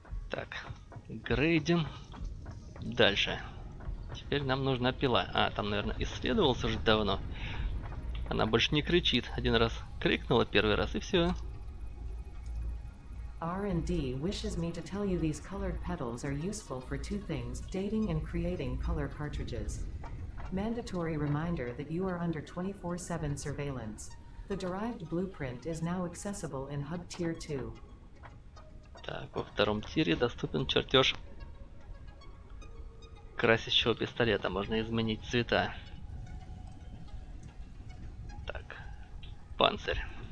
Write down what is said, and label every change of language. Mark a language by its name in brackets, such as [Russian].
[Russian] Так, грейдинг. Дальше. Теперь нам нужна пила. А, там, наверное, исследовался уже давно. Она больше не кричит. Один раз крикнула, первый раз, и все. [English] R&D wishes me to tell you these colored petals are useful for two things: dating and creating color cartridges. Mandatory reminder that you are under 24/7 surveillance. The derived blueprint is now accessible in Hub Tier 2. [Russian] Так, во втором тире доступен чертеж красящего пистолета. Можно изменить цвета. Так, панцирь.